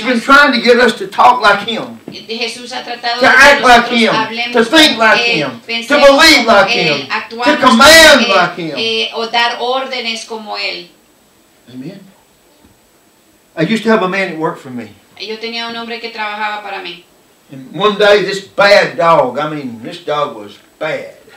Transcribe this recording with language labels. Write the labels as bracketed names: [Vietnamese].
[English] been trying to get us to talk like him. [Spanish] Jesús ha [English] to act like him. To think like him. To believe like him. To command like him. [Spanish] O dar órdenes como él. [English] Amen. I used to have a man that worked for me. [Spanish] Yo tenía un hombre que trabajaba para mí. [English] And one day this bad dog, I mean this dog was bad.